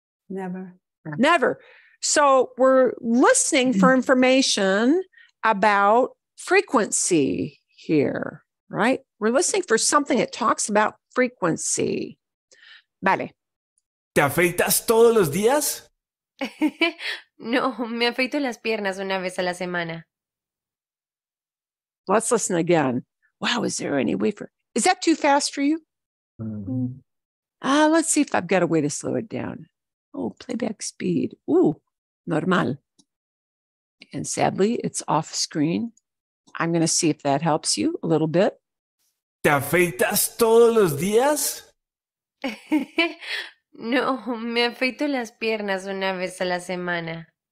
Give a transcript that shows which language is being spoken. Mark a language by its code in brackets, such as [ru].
[en] Never. Never. So we're listening for information about frequency here, right? We're listening for something that talks about frequency. [es] Vale. ¿Te afeitas todos los días? No, me afeito las piernas una vez a la semana. [en] Let's listen again. Wow, is there any way for... Is that too fast for you? Mm-hmm. Let's see if I've got a way to slow it down. Oh, playback speed. Ooh, normal. And sadly, it's off screen. I'm going to see if that helps you a little bit. [es] ¿Te afeitas todos los días? No, me afeito las piernas una vez a la semana.